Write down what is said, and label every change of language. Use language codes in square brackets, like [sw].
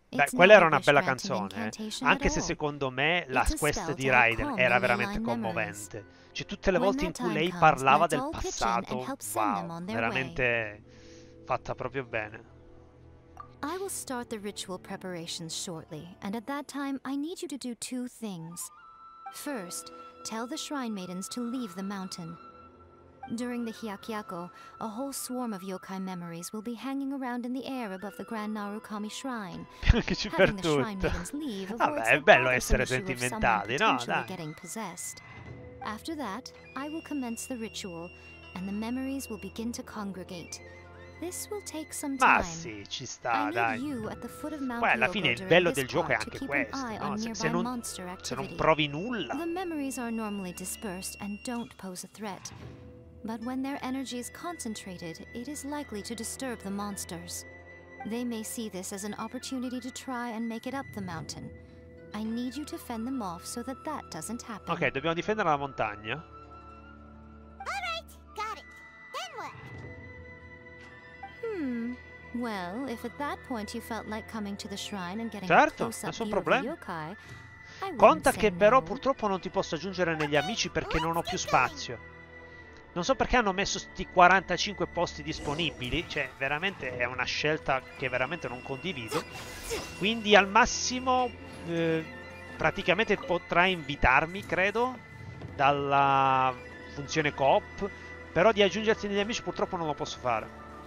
[it] Beh, quella era una bella canzone, anche se secondo me la quest di Ryder era veramente commovente. Cioè, tutte le volte in cui lei parlava del passato, wow, veramente fatta proprio bene. [en] I will start the ritual preparations shortly, and at that time I need you to do two things. First, tell the shrine maidens to leave the mountain. During the Hiyakiyako, a whole swarm of yokai memories will be hanging around in the air above the Grand Narukami Shrine. [it] Che ci per tutto. Vabbè, è bello essere sentimentali, no? Dai. [en] After that, I will commence the ritual, and the memories will begin to congregate. This will take some time. [it] Ma sì, ci sta, dai. Poi alla fine il bello del gioco è anche questo, no? Se non provi nulla. [en] The memories are normally dispersed and don't pose a threat. but when their energy is concentrated, it is likely to disturb the monsters. They may see this as an opportunity to try and make it up the mountain. I need you to fend them off so that that doesn't happen. [it] Ok, dobbiamo difendere la montagna. [en] All right, got it. Then what? Well, if at that point you felt like coming to the shrine and getting certo, a close up of yokai, [it] conta che però purtroppo non ti posso aggiungere negli amici perché non ho più spazio. Non so perché hanno messo sti 45 posti disponibili, cioè veramente è una scelta che veramente non condivido. Quindi al massimo praticamente potrai invitarmi, credo, dalla funzione co-op, però di aggiungerti negli amici purtroppo non lo posso fare.